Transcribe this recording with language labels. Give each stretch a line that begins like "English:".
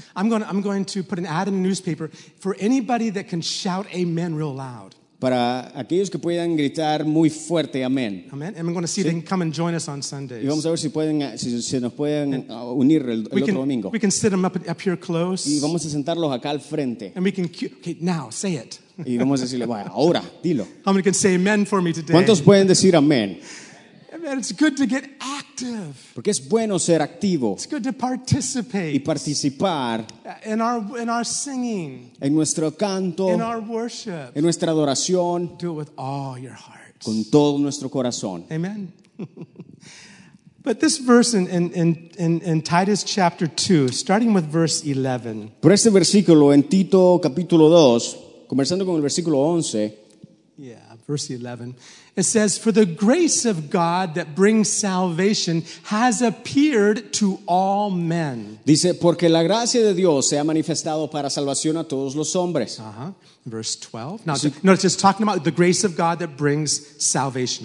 English: I'm going to put an ad in the newspaper for anybody that can shout amen real loud.
Spanish: Para aquellos que puedan gritar muy fuerte, amén.
English: Amen. And I'm going to see if they can come and join us on Sundays.
Spanish: Y vamos a ver si se nos pueden unir el otro domingo.
English: We can sit them up here close.
Spanish: Y vamos a sentarlos acá al frente.
English: And we can now say it.
Spanish: Y vamos a decirle, vaya, ahora, dilo.
English: How many can say amen for me today?
Spanish: ¿Cuántos pueden decir amén?
English: Amen. It's good to get active.
Spanish: Porque es bueno ser activo.
English: It's good to participate.
Spanish: Y participar.
English: In our singing.
Spanish: En nuestro canto.
English: In our worship.
Spanish: En nuestra adoración.
English: Do it with all your heart.
Spanish: Con todo nuestro corazón.
English: Amen. But this verse in Titus chapter 2, starting with verse 11.
Spanish: Por este versículo en Tito capítulo 2, comenzando con el versículo 11.
English: Yeah, verse 11. It says, for the grace of God that brings salvation has appeared to all men.
Spanish: Dice, porque la gracia de Dios se ha manifestado para salvación a todos los hombres.
English: Uh-huh. Verse 12. No, it's just talking about the grace of God that brings salvation.